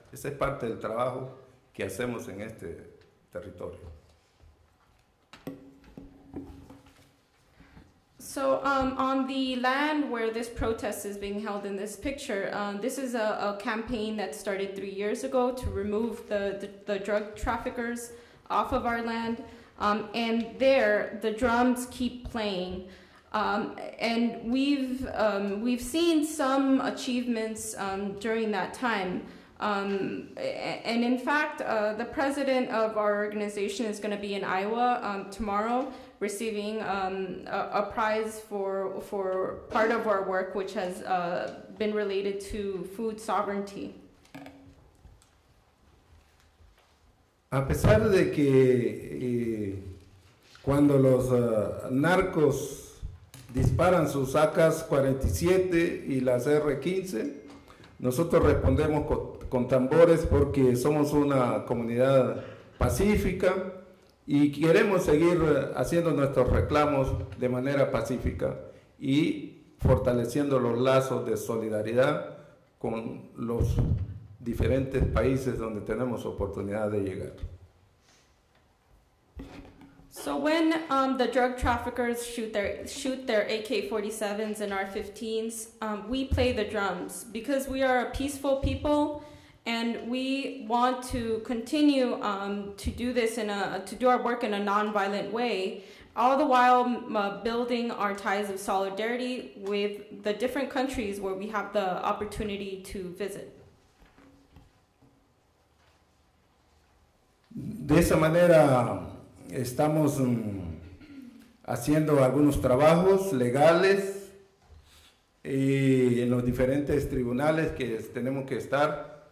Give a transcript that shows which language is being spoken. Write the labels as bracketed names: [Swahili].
[Spanish] Ese es parte del trabajo que hacemos en este territorio. [English] So on the land where this protest is being held in this picture, this is a campaign that started 3 years ago to remove the drug traffickers off of our land. And there, the drums keep playing. And we've seen some achievements during that time. And in fact, the president of our organization is going to be in Iowa tomorrow, receiving a prize for part of our work, which has been related to food sovereignty. [Spanish] A pesar de que cuando los narcos disparan sus AK-47 y las R-15, nosotros respondemos con tambores porque somos una comunidad pacífica. Y queremos seguir haciendo nuestros reclamos de manera pacífica y fortaleciendo los lazos de solidaridad con los diferentes países donde tenemos oportunidad de llegar. [English] So when the drug traffickers shoot their AK-47s and R-15s, we play the drums because we are a peaceful people. And we want to continue to do this to do our work in a nonviolent way, all the while building our ties of solidarity with the different countries where we have the opportunity to visit. [Spanish] De esa manera estamos haciendo algunos trabajos legales en los diferentes tribunales que tenemos que estar.